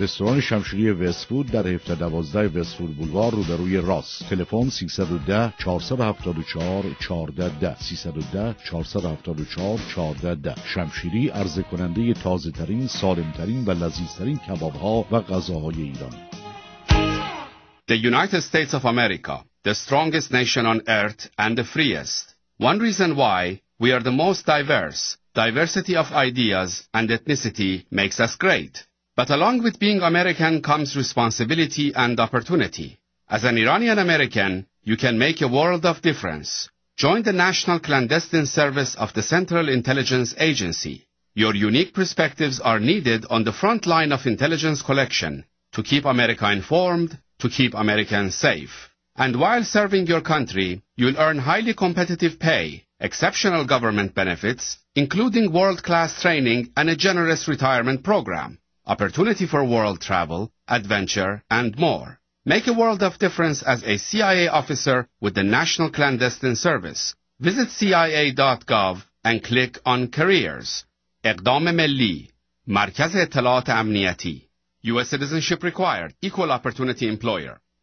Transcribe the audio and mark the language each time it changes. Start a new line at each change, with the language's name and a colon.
Persian: رستوران شمشیری وستفود در 712 وستفود بولوار روبروی راس. تلفن 310-474-1410 310-474-1410. شمشیری عرضه کننده تازه ترین، سالم ترین و لذیذ ترین کباب ها و غذاهای ایران.
English: The United States of America, the strongest nation on earth and the freest. One reason why we are the most diverse. Diversity of ideas and ethnicity makes us great. But along with being American comes responsibility and opportunity. As an Iranian American, you can make a world of difference. Join the National Clandestine Service of the Central Intelligence Agency. Your unique perspectives are needed on the front line of intelligence collection to keep America informed, to keep Americans safe. And while serving your country, you'll earn highly competitive pay, exceptional government benefits, including world-class training and a generous retirement program, opportunity for world travel, adventure, and more. Make a world of difference as a CIA officer with the National Clandestine Service. Visit CIA.gov and click on Careers.
Persian: اقدام ملی مرکز اطلاعات امنیتی.
English: U.S. citizenship required. Equal opportunity employer.